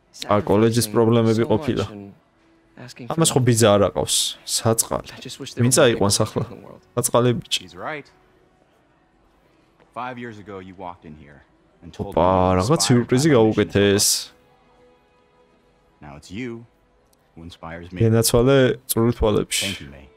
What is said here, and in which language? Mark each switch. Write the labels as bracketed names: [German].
[Georgian] ა კოლეჯის პრობლემები ყოფილა. ამას ხო ბიზა არ აყავს, საწყალი. ვინ წაიყვანს ახლა? საწყალი ბიჭი. [English] 5 years ago you walked in here and told me. [Georgian] აა, რაღაც სიურპრიზი გაუკეთეს. [English] Now it's you who inspires me. [Georgian] გენაცვალე წრულ თვალებში.